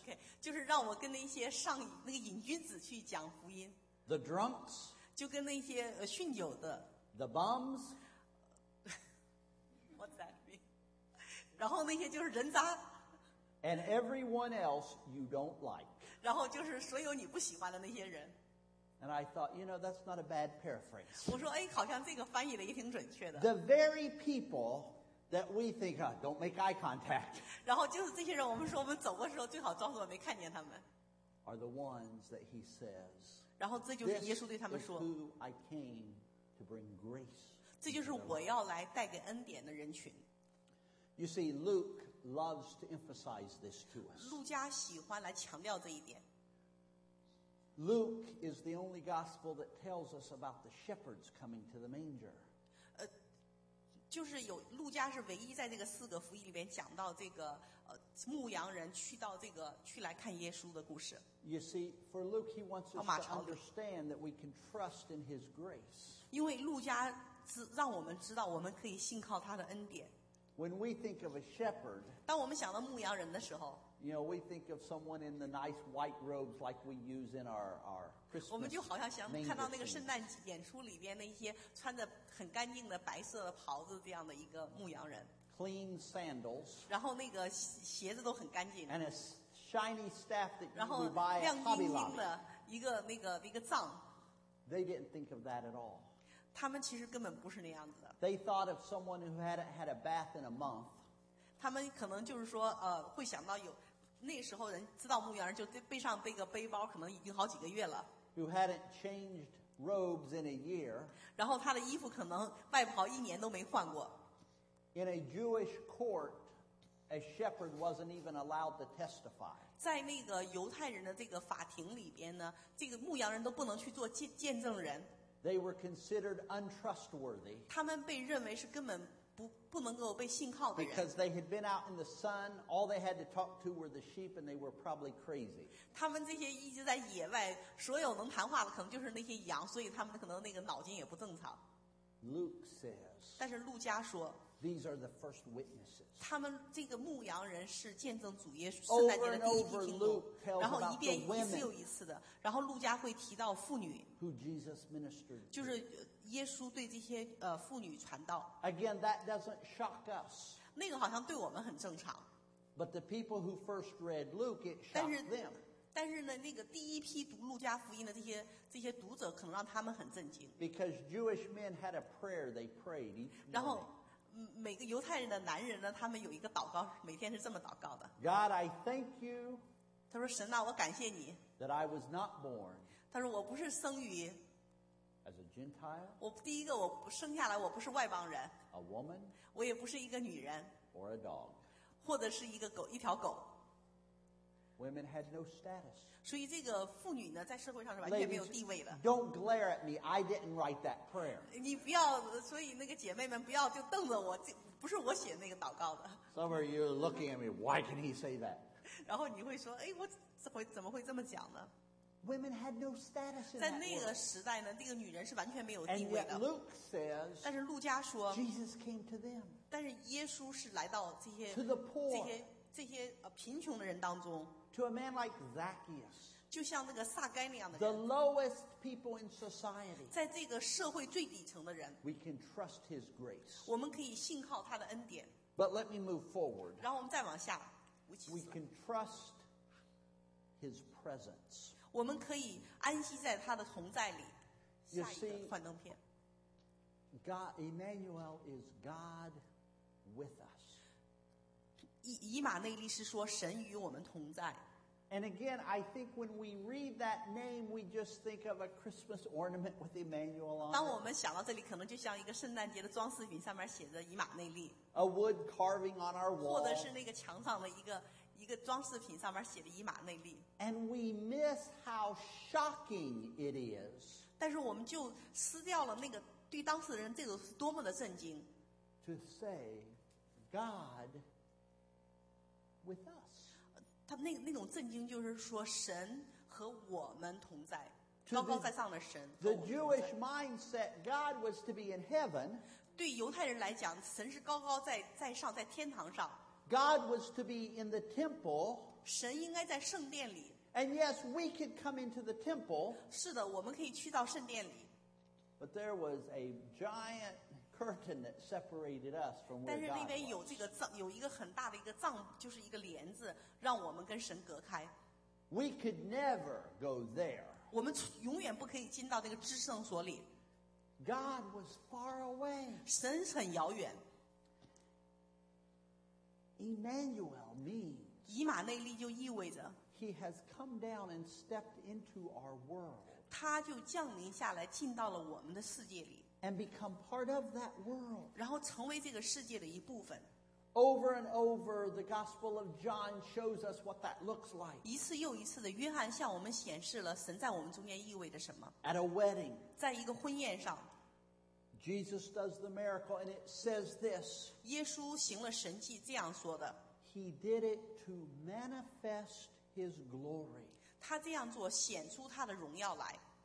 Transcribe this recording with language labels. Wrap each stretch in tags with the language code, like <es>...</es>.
<zh>Okay, 就是让我跟那些上瘾那个瘾君子去讲福音。</zh> <en>The drunks,</en> <zh>就跟那些酗酒的。</zh> <en>The bums, what's that mean?</en> <zh>然后那些就是人渣。</zh> <en>And everyone else you don't like.</en> <zh>然后就是所有你不喜欢的那些人。</zh> <en>And I thought, you know, that's not a bad paraphrase.</en> <zh>我说，哎，好像这个翻译的也挺准确的。</zh> <en>The very people. that we think, huh, don't make eye contact.</en> <zh>然后就是这些人，我们说我们走过的时候最好装作没看见他们。</zh> <en>Are the ones that he says.</en> <zh>然后这就是耶稣对他们说。</zh> <en>This is who I came to bring grace.</en> <zh>这就是我要来带给恩典的人群。</zh> <en>You see, Luke loves to emphasize this to us.</en> <zh>路加喜欢来强调这一点。</zh> <en>Luke is the only gospel that tells us about the shepherds coming to the manger.</en> <zh>就是有路加是唯一在这个四个福音里面讲到这个牧羊人去到这个去来看耶稣的故事。</zh> <en>You see, for Luke, he wants us to understand that we can trust in his grace.</en> <zh>因为路加让我们知道我们可以信靠他的恩典。</zh> <en>When we think of a shepherd,</en> <zh>当我们想到牧羊人的时候。</zh> <en>You know, we think of someone in the nice white robes like we use in our Christmas.</en> <zh>我们就好像想看到那个圣诞演出里边那些穿着很干净的白色的袍子这样的一个牧羊人。</zh> <en>Clean sandals.</en> <zh>然后那个鞋子都很干净。</zh> <en>And a shiny staff that you buy at</en> <zh>Hobby Lobby. 然后亮晶晶的一个那个一个帐。</zh> <en>They didn't think of that at all.</en> <zh>他们其实根本不是那样子的。</zh> <en>They thought of someone who had a bath in a month.</en> <zh>他们可能就是说会想到有那时候人知道牧羊人就背上背个背包可能已经好几个月了</zh> <en>who hadn't changed robes in a year</en> <zh>然后他的衣服可能外袍一年都没换过</zh> <en>in a Jewish court a shepherd wasn't even allowed to testify</en> <zh>在那个犹太人的这个法庭里边呢这个牧羊人都不能去做见证人</zh> <en>they were considered untrustworthy</en> <zh>他们被认为是根本不能够被信靠的人</zh> <en>because they had been out in the sun all they had to talk to were the sheep and they were probably crazy</en> <zh>他们这些一直在野外所有能谈话的可能就是那些羊所以他们可能那个脑筋也不正常</zh> <en>Luke says</en> <zh>但是路加说</zh> <en>these are the first witnesses</en> <zh>他们这个牧羊人是见证主耶稣圣诞节的第一批听众</zh> <en>over and over,</en> <zh>然后一遍一次又一次的然后路加会提到妇女</zh> <en>who Jesus ministered to</en> <zh>就是耶稣对这些妇女传道</zh> <en>Again, that doesn't shock us.</en> <zh>那个好像对我们很正常</zh> <en>But the people who first read Luke, it shocked them.</en> <zh>但是呢那个第一批读路加福音的这些读者可能让他们很震惊</zh> <en>Because Jewish men had a prayer they prayed each morning.</en> <zh>然后每个犹太人的男人呢他们有一个祷告每天是这么祷告的</zh> <en>God, I thank you.</en> <zh>他说神啊我感谢你</zh> <en>That I was not born.</en> <zh>他说我不是生于</zh> <en>As a Gentile,</en> <zh>我第一个我生下来我不是外邦人</zh> <en>a woman,</en> <zh>我也不是一个女人</zh> <en>or a dog,</en> <zh>或者是一个狗一条狗</zh> <en>women had no status</en> <zh>所以这个妇女呢在社会上是完全没有地位的</zh> <en>Ladies, don't glare at me I didn't write that prayer</en> <zh>你不要所以那个姐妹们不要就瞪着我不是我写那个祷告的</zh> <en>some of you are looking at me why can he say that</en> <zh>然后你会说哎，我怎么会这么讲呢</zh> <en>Women had no status in</en> <zh>在那个时代呢，那个女人是完全没有地位的。</zh> <en>And yet Luke says,</en> <zh>但是路加说</zh> <en>，Jesus came to them.</en> <zh>但是耶稣是来到这些</zh> <en>to the poor,</en> <zh>这些贫穷的人当中。</zh> <en>To a man like Zacchaeus,</en> <zh>就像那个撒该那样的人。</zh> <en>The lowest people in society,</en> <zh>在这个社会最底层的人。</zh> <en>We can trust his grace.</en> <zh>我们可以信靠他的恩典。</zh> <en>But let me move forward.</en> <zh>然后我们再往下。</zh> <en>We can trust his presence.</en> <zh>我们可以安息在他的同在里。下一个幻灯片。</zh> <en>God Emmanuel is God with us.</en> <zh>以马内利是说神与我们同在。</zh> <en>And again, I think when we read that name, we just think of a Christmas ornament with Emmanuel on it.</en> <zh>当我们想到这里，可能就像一个圣诞节的装饰品，上面写着以马内利。</zh> <en>A wood carving on our wall.</en> <zh>或者是那个墙上的一个装饰品上面写的以马内利</zh> <en>And we miss how shocking it is</en> <zh>但是我们就撕掉了那个对当事人这个是多么的震惊</zh> <en>To say God with us</en> <zh>他 那种震惊就是说神和我们同在高高在上的神</zh> <en>The Jewish mindset God was to be in heaven</en> <zh>对犹太人来讲神是高高在上在天堂上</zh> <en>God was to be in the temple.</en> <zh>神应该在圣殿里。</zh> <en>And yes, we could come into the temple.</en> <zh>是的，我们可以去到圣殿里。</zh> <en>But there was a giant curtain that separated us from where God was.</en> <zh>但是那边有这个帐，有一个很大的一个帐，就是一个帘子，让我们跟神隔开。</zh> <en>We could never go there.</en> <zh>我们永远不可以进到那个至圣所里。</zh> <en>God was far away.</en> <zh>神很遥远。</zh> <en>Emmanuel means.</en> <zh>以马内利就意味着。</zh> <en>He has come down and stepped into our world.</en> <zh>他就降临下来，进到了我们的世界里。</zh> <en>And become part of that world.</en> <zh>然后成为这个世界的一部分。</zh> <en>Over and over, the Gospel of John shows us what that looks like.</en> <zh>一次又一次的，约翰向我们显示了神在我们中间意味着什么。</zh> <en>At a wedding.</en> <zh>在一个婚宴上。</zh> <en>Jesus does the miracle, and it says this.</en> <zh>耶稣行了神迹，这样说的。</zh> <en>He did it to manifest his glory.</en> <zh>他这样做，显出他的荣耀来。</zh>